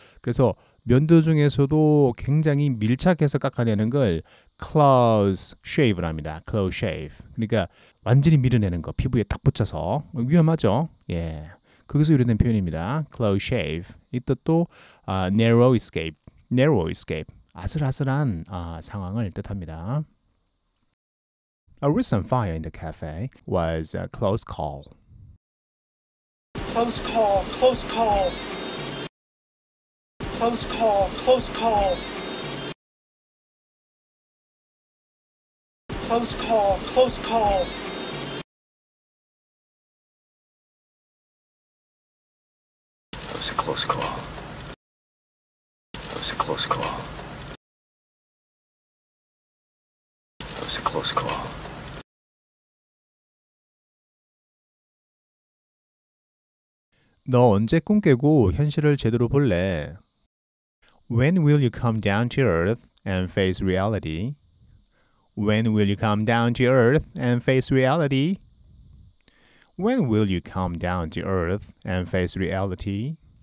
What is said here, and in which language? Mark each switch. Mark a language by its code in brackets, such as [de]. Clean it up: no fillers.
[ko] 그래서 면도 중에서도 굉장히 밀착해서 깎아내는 걸 close shave를 합니다. Close shave. 그러니까 완전히 밀어내는 거. 피부에 딱 붙여서. 위험하죠? 예. 거기서 유래된 표현입니다. [en] Close shave. [ko] 이 뜻도 [en] narrow escape. Narrow escape. [ko] 아슬아슬한 상황을 뜻합니다. [en] A recent fire in the cafe was a close call. Close call. Close call. Close call, close call. Close call, close call. was a close call. That was a close call. That was a close call. [ko] No, 언제 꿈 깨고 현실을 제대로 볼래? [en] When will you come down to earth and face reality? When will you come down to earth and face reality? When will you come down to earth and face reality?